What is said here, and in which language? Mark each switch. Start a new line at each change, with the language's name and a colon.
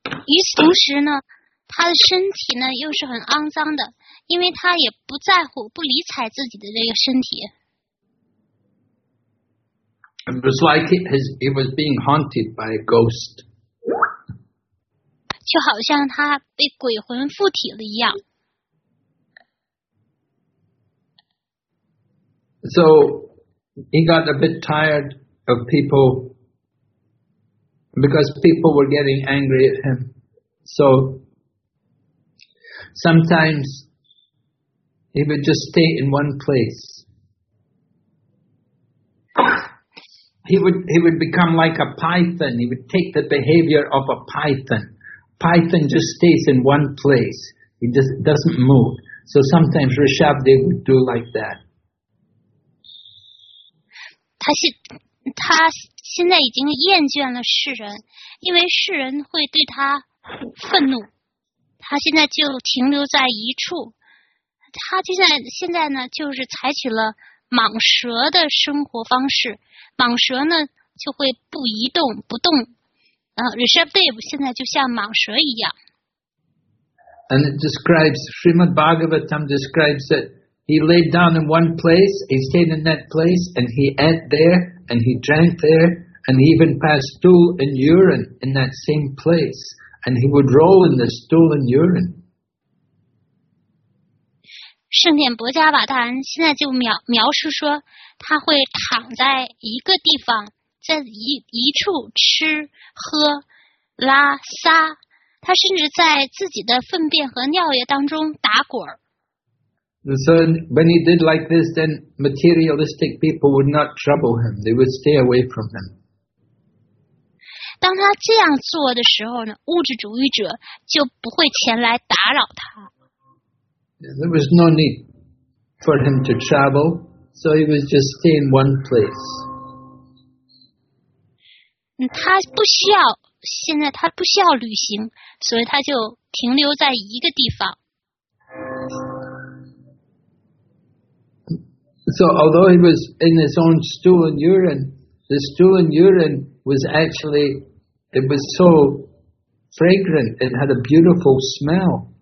Chinese: 与此同时呢，他的身体呢又是很肮脏的，因为他也不在乎、不理睬自己的这个身体。
English: It was like he was being haunted by a ghost.
Chinese: 就好像他被鬼魂附体了一样。
English: So he got a bit tired of people because people were getting angry at him. So, sometimes he would just stay in one place. He would become like a python. He would take the behavior of a python. Python just stays in one place. He just doesn't move. So sometimes Rishabdev would do like that. He now is exhausted from the people, because the people will be angry at him.
Chinese: 愤怒，他现在就停留在一处。他现在呢，就是采取了蟒蛇的生活方式。蟒蛇呢，就会不移动、不动。Rishabdev 现在就像蟒蛇一样。
English: And it describes Srimad Bhagavatam describes that he laid down in one place, he stayed in that place, and he ate there, and he drank there, and he even passed stool and urine in that same place. And he would roll in the stolen urine.
Chinese: 圣典博加瓦大人现在就描述说，他会躺在一个地方，在 一处吃喝拉撒，他甚至在自己的粪便和尿液当中打滚。
English: So when he did like this, then materialistic people would not trouble him. They would stay away from him.
Chinese: 当他这样做的时候呢，物质主义者就不会前来打扰他。
English: There was no need for him to travel, so he was just stay in one place.
Chinese: 他不需要，现在他不需要旅行，所以他就停留在一个地方。
English: So although he was in his own stool and urine, the stool and urine was actually, it was so fragrant, it had a beautiful smell.